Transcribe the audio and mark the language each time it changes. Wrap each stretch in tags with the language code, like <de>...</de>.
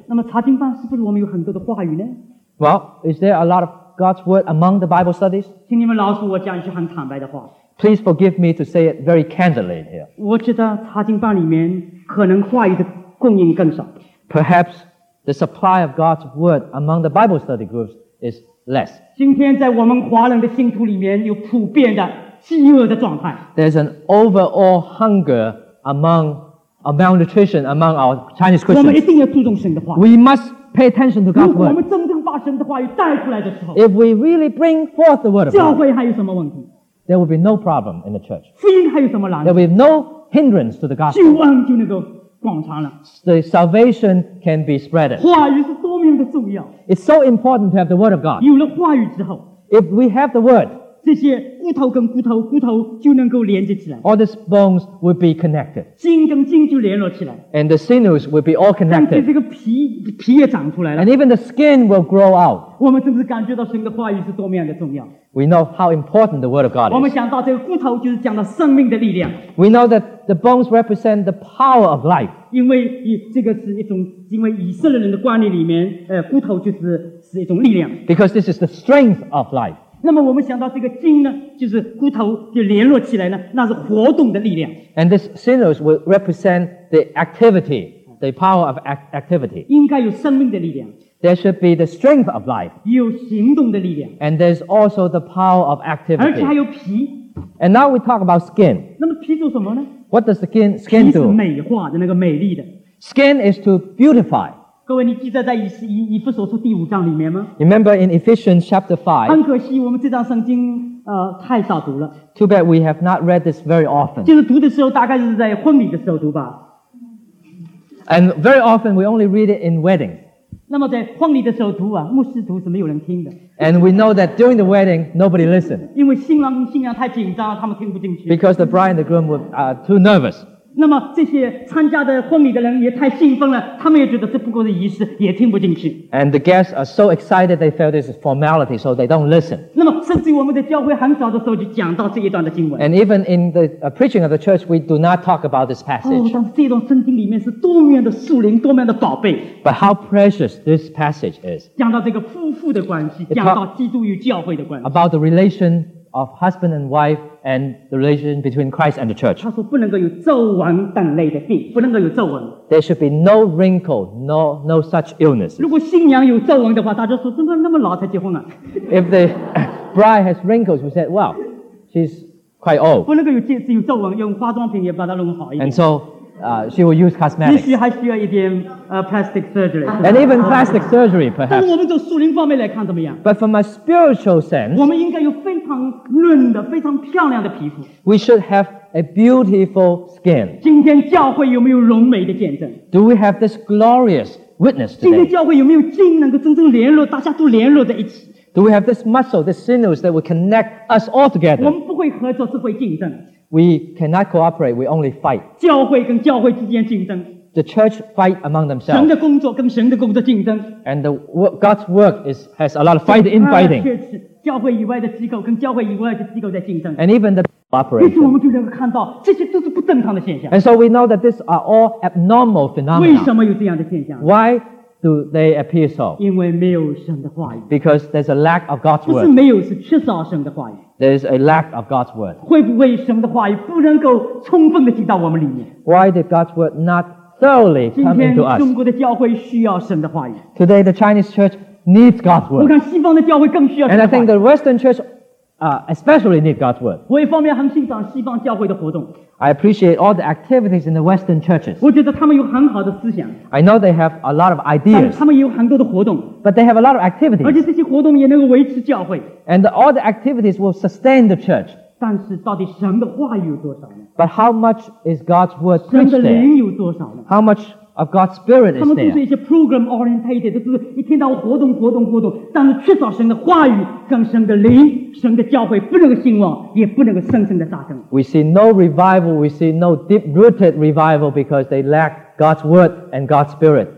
<zh>那么查经办是不是我们有很多的话语呢?</zh> <en>Well, is there a lot of God's word among the Bible studies?</en> <zh>请你们饶恕我讲一句很坦白的话。</zh> <en>Please forgive me to say it very candidly here.</en> <zh>我觉得查经办里面可能话语的供应更少。</zh> <en>Perhaps the supply of God's word among the Bible study groups is less.</en> <zh>今天在我们华人的信徒里面有普遍的饥饿的状态。</zh> <en>There's an overall hunger among a malnutrition among our Chinese Christians.</en> <zh>我们一定要注重神的话语。</zh> <en>We must pay attention to God's word.</en> <zh>如果我们真正把神的话语带出来的时候,</zh> <en>if we really bring forth the word of God,</en> <zh>教会还有什么问题?</zh> <en>There will be no problem in the church.</en> <zh>福音还有什么难度?</zh> <en>There will be no hindrance to the gospel.</en> <zh>救恩就能够广传了。</zh> <en>The salvation can be spread.</en> <zh>话语是多么的重要。</zh> <en>It's so important to have the word of God.</en> <zh>有了话语之后,</zh> <en>if we have the word,</en> <zh>这些骨头跟骨头, 骨头就能够连接起来,</zh> <en>all these bones will be connected.</en> <zh>筋跟筋就联络起来,</zh> <en>and the sinews will be all connected.</en> <zh>这个皮也长出来了,</zh> <en>and even the skin will grow out.</en> <zh>我们是不是感觉到神的话语是多么样的重要?</zh> <en>We know how important the word of God is.</en> <zh>我们想到这个骨头就是讲到生命的力量。</zh> <en>We know that the bones represent the power of life.</en> <zh>因为这个是一种，因为以色列人的观念里面，骨头就是是一种力量。</zh> <en>Because this is the strength of life.</en> <zh>那么我们想到这个筋呢，就是骨头就联络起来呢，那是活动的力量。</zh> <en>And this sinews will represent the activity, the power of activity.</en> <zh>应该有生命的力量。</zh> <en>There should be the strength of life.</en> <zh>有行动的力量。</zh> <en>And there's also the power of activity.</en> <zh>而且还有皮。</zh> <en>And now we talk about skin.</en> <zh>那么皮做什么呢？</zh> <en>What does skin do?</en> <zh>皮是美化的，那个美丽的。</zh> <en>Skin is to beautify.</en> <zh>各位，你记得在以弗所书第五章里面吗？</zh> <en>Remember in Ephesians chapter 5.</en> <zh>很可惜我们这章圣经太少读了。</zh> <en>Too bad we have not read this very often.</en> <zh>就是读的时候大概是在婚礼的时候读吧。</zh> <en>And very often we only read it in weddings.</en> <zh>那么在婚礼的时候读啊，牧师读是没有人听的。</zh> <en>And we know that during the wedding, nobody listened.</en> <zh>因为新郎新娘太紧张了，他们听不进去。</zh> <en>Because the bride and the groom were too nervous.</en> <zh>那么这些参加的婚礼的人也太兴奋了，他们也觉得这不过是仪式，也听不进去。</zh> <en>And the guests are so excited they feel this is formality, so they don't listen.</en> <zh>那么甚至于我们的教会很早的时候就讲到这一段的经文。</zh> <en>And even in the preaching of the church, we do not talk about this passage.</en> <zh>哦，但是这段圣经里面是多么的属灵，多么的宝贝。</zh> <en>But how precious this passage is.</en> <zh>讲到这个夫妇的关系，讲到基督与教会的关系。</zh> <en>About the relation of husband and wife and the relation between Christ and the church.</en> <zh>他说不能够有皱纹等类的病，不能够有皱纹。</zh> <en>There should be no wrinkle, no such illness.</en> <zh>如果新娘有皱纹的话，大家说怎么那么老才结婚啊？</zh> <en>If the bride has wrinkles, we said, well, she's quite old.</en> <zh>不能够有皱纹，用化妆品也把它弄好一点。</zh> <en>And so, she will use cosmetics.</en> <zh>也许还需要一点</zh> <en>plastic surgery. And even plastic surgery, perhaps.</en> <zh>但是我们从属灵方面来看怎么样？</zh> <en>But from a spiritual sense,</en> <zh>我们应该有非常嫩的、非常漂亮的皮肤。</zh> <en>We should have a beautiful skin.</en> <zh>今天教会有没有荣美的见证？</zh> <en>Do we have this glorious witness today?</en> <zh>今天教会有没有筋能够真正联络，大家都联络在一起？</zh> <en>Do we have this muscle, this sinews that will connect us all together?</en> <zh>我们不会合作，只会竞争。</zh> <en>We cannot cooperate, we only fight.</en> <zh>教会跟教会之间竞争。</zh> <en>The church fight among themselves.</en> <zh>神的工作跟神的工作竞争。</zh> <en>And God's work has a lot of fighting, infighting.</en> <zh>教会以外的机构跟教会以外的机构在竞争。</zh> <en>And even the cooperation.</en> <zh>于是我们就能够看到，这些都是不正常的现象。</zh> <en>And so we know that these are all abnormal phenomena.</en> <zh>为什么有这样的现象？</zh> <en>Why do they appear so?</en> <zh>因为没有神的话语。</zh> <en>Because there's a lack of God's word.</en> <zh>不是没有，是缺少神的话语。</zh> <en>There is a lack of God's word.</en> <zh>会不会神的话语不能够充分地进到我们里面？</zh> <en>Why did God's word not thoroughly come into us?</en> <zh>今天中国的教会需要神的话语。</zh> <en>Today the Chinese church needs God's word.</en> <zh>我看西方的教会更需要神的话语。</zh> <en>And I think the Western church especially needs God's word.</en> <zh>我一方面很欣赏西方教会的活动。</zh> <en>I appreciate all the activities in the Western churches.</en> <zh>我觉得他们有很好的思想。</zh> <en>I know they have a lot of ideas.</en> <zh>但他们也有很多的活动。</zh> <en>But they have a lot of activities.</en> <zh>而且这些活动也能够维持教会。</zh> <en>And all the activities will sustain the church.</en> <zh>但是到底神的话语有多少呢？</zh> <en>But how much is God's word preached there?</en> <zh>神的灵有多少呢？</zh> <en>How much of God's spirit is there?</en> <zh>他们都是一些</zh> <en>program orientated,</en> <zh>就是一天到晚活动活动活动，但是缺少神的话语跟神的灵，神的教会不能够兴旺，也不能够深深的扎根。</zh> <en>We see no revival, we see no deep-rooted revival because they lack God's word and God's spirit.</en>